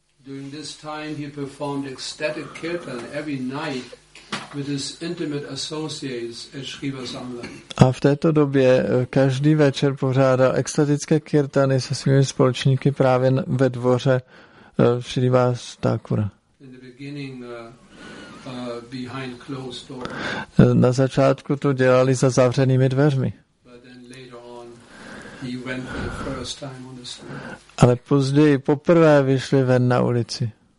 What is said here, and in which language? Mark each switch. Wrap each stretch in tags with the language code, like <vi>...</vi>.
<en>During this time he performed ecstatic kirtan every night with his intimate associates at Srivas Angan.</en> <cs>A v této době každý večer pořádal extatické kirtany se svými společníky právě ve dvoře Srivas Thakura.</cs> <en>In the beginning, behind closed doors.</en> <cs>Na začátku to dělali za zavřenými dveřmi.</cs> <en>But then later on he went for the first time on the street.</en> <cs>Ale později poprvé vyšli ven na ulici.</cs>